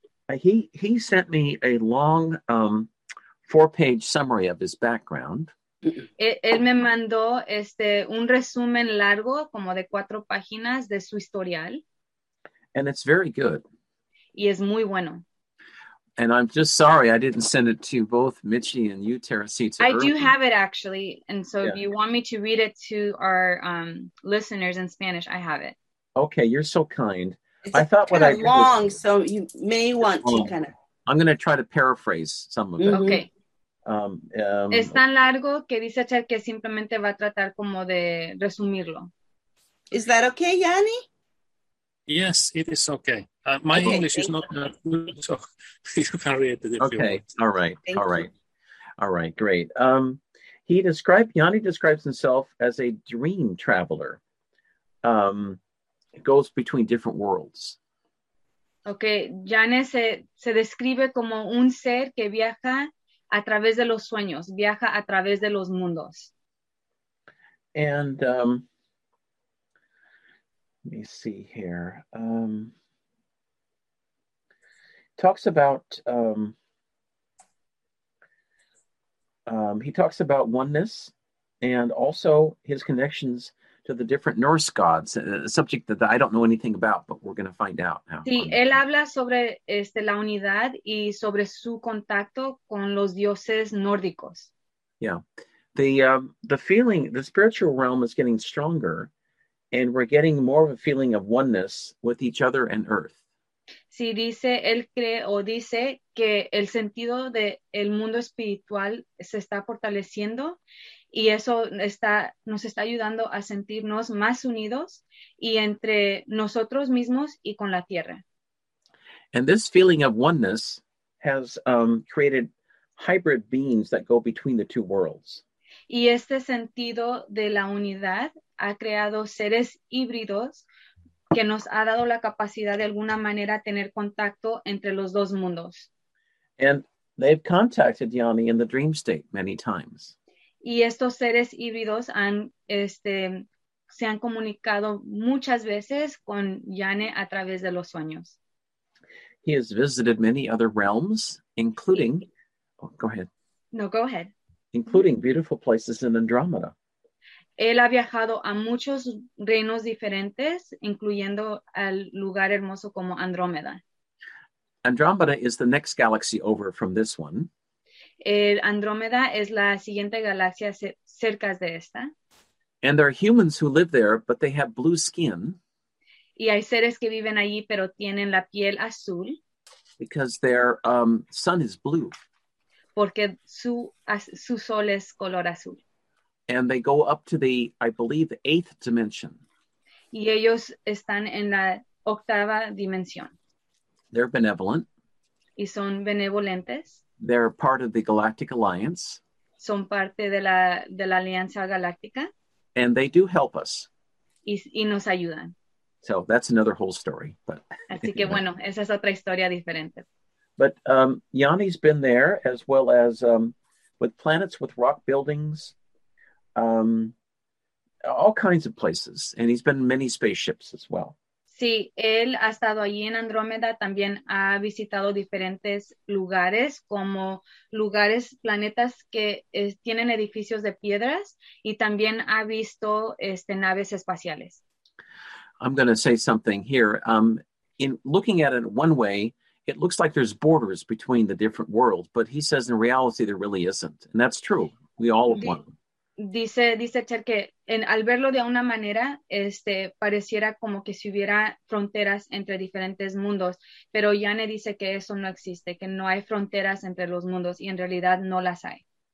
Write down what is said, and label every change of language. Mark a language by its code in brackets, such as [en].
[en] He sent me a long 4-page summary of his background. [es] Él me mandó un resumen largo, como de 4 páginas, de su historial. [en] And it's very good. [es] Y es muy bueno. [en] And I'm just sorry I didn't send it to both Michie and you, Teresita. I do have it, actually. And so if you want me to read it to our listeners in Spanish, I have it. Okay, you're so kind. It's I thought kind what of I long, so you may want to kind of I'm going to try to paraphrase some of it. Okay. [es] Es tan largo que dice Chad que simplemente va a tratar como de resumirlo. [en] Is that okay, Yanni? Yes, it is okay. My English is not that good, so you can read it if okay. you want. All right. All right. All right. Great. Yanni describes himself as a dream traveler. It goes between different worlds. [es] Okay, Yanni se describe como un ser que viaja a través de los sueños, viaja a través de los mundos. [en] And let me see here. Talks about he talks about oneness and also his connections to the different Norse gods, a subject that I don't know anything about, but we're going to find out now. [es] Sí, él habla sobre la unidad y sobre su contacto con los dioses nórdicos. [en] Yeah. The feeling, the spiritual realm is getting stronger and we're getting more of a feeling of oneness with each other and earth. [es] Sí, dice, él cree o dice que el sentido de el mundo espiritual se está fortaleciendo y eso nos está ayudando a sentirnos más unidos y entre nosotros mismos y con la tierra. [en] And this feeling of oneness has created hybrid beings that go between the two worlds. [es] Y este sentido de la unidad ha creado seres híbridos que nos ha dado la capacidad de alguna manera tener contacto entre los dos mundos. [en] And they've contacted Yanni in the dream state many times. [es] Y estos seres híbridos se han comunicado muchas veces con Yanni a través de los sueños. [en] He has visited many other realms, including... Sí. Oh, go ahead. No, go ahead. Including beautiful places in Andromeda. [es] Él ha viajado a muchos reinos diferentes, incluyendo al lugar hermoso como Andrómeda. [en] Andromeda is the next galaxy over from this one. [es] Andrómeda es la siguiente galaxia cerca de esta. [en] And there are humans who live there, but they have blue skin. [es] Y hay seres que viven allí, pero tienen la piel azul. [en] Because their sun is blue. [es] Porque su sol es color azul. [en] And they go up to the, I believe, eighth dimension. [es] Y ellos están en la octava dimensión. [en] They're benevolent. [es] Y son benevolentes. [en] They're part of the Galactic Alliance. [es] Son parte de la Alianza Galáctica. [en] And they do help us. [es] Y nos ayudan. [en] So that's another whole story. But [es] así que bueno, esa es otra historia diferente. [en] But Yanni's been there as well as with planets, with rock buildings, all kinds of places. And he's been in many spaceships as well. [es] Sí, él ha estado allí en Andrómeda. También ha visitado diferentes lugares, como lugares, planetas que tienen edificios de piedras. Y también ha visto naves espaciales. [en] I'm going to say something here. In looking at it one way, it looks like there's borders between the different worlds, but he says in reality there really isn't. And that's true. We all have one. [es] Dice Cher que al verlo de una manera, pareciera como que si hubiera fronteras entre diferentes mundos, pero Yanni dice que eso no existe, que no hay fronteras entre los mundos, y en realidad no las hay.